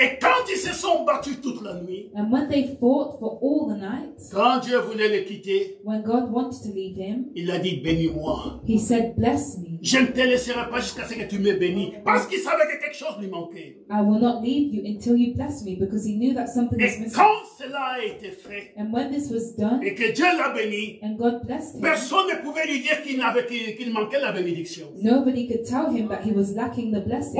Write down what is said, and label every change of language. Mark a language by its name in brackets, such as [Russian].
[French] Et quand ils se sont battus toute la nuit, [English] and when they fought for all the night, [French] quand Dieu voulait le quitter, [English] when God wanted to leave him, [French] il a dit, bénis-moi. [English] He said, bless me. [French] Je ne te laisserai pas jusqu'à ce que tu me bénis. Parce qu'il savait que quelque chose lui manquait. [English] I will not leave you until you bless me, because he knew that something was missing. [French] Et quand cela a été fait, [English] and when this was done, [French] et que Dieu l'a béni, [English] and God blessed him, [French] personne ne pouvait lui dire qu'il manquait la bénédiction. [English] Nobody could tell him that he was lacking the blessing.